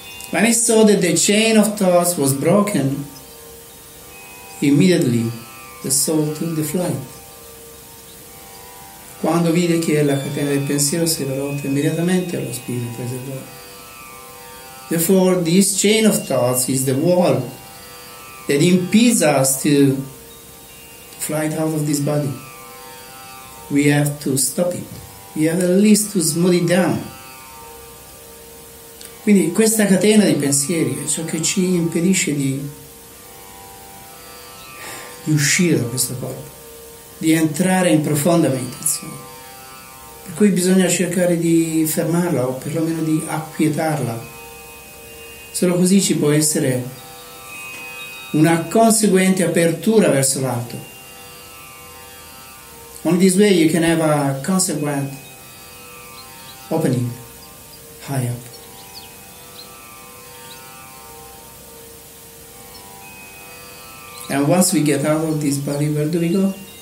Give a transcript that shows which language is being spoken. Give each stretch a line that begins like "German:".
English: When he saw that the chain of thoughts was broken, immediately the soul took the flight.
Italian: Quando vide che la catena del pensiero si era rotta, immediatamente lo spirito prese il volo.
English: Therefore, this chain of thoughts is the wall that impedes us to flight out of this body. We have to stop it. We have at least to smooth it down.
Italian: Quindi questa catena di pensieri è ciò che ci impedisce di uscire da questo corpo, di entrare in profonda meditazione. Per cui bisogna cercare di fermarla o perlomeno di acquietarla. Solo così ci può essere una conseguente apertura verso l'alto.
English: Only this way you can have a consequent opening high up. And once we get out of this body, where do we go?